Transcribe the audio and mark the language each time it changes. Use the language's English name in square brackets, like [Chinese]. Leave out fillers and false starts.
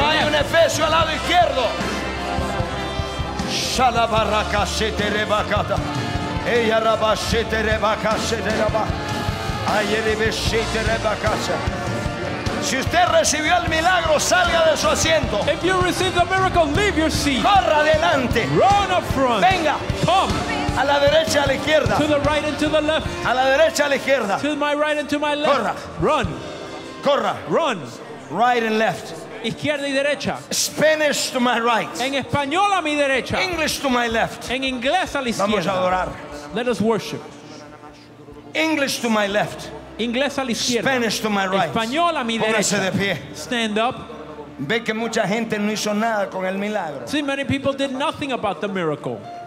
[Spanish] left. Hay un Efesio al lado izquierdo. Shala baraka shetere bakata. Ella raba shete reba kase de raba. Ayeribe shete reba kase. Si usted recibió el milagro, salga de su asiento. [English] If you receive the miracle, leave your seat. [Spanish] Corra adelante. [English] Run up front. [Spanish] Venga. [English] Come. [Spanish] A la derecha, a la izquierda. [English] To the right and to the left. [Spanish] A la derecha, a la izquierda. [English] To my right and to my left. [Spanish] Corra. [English] Run. [Spanish] Corra. [English] Run. Right and left. [Spanish] Izquierda y derecha. [English] Spanish to my right. [Spanish] En español a mi derecha. [English] English to my left. [Spanish] En inglés a la izquierda. Vamos a adorar. [English] Let us worship. English to my left. [Spanish] Inglés a la izquierda. [English] Spanish to my right. [Spanish] Español a mi derecha. Póngase de pie. [English] Stand up. [Spanish] Ve que mucha gente no hizo nada con el milagro. [English] See, many people did nothing about the miracle.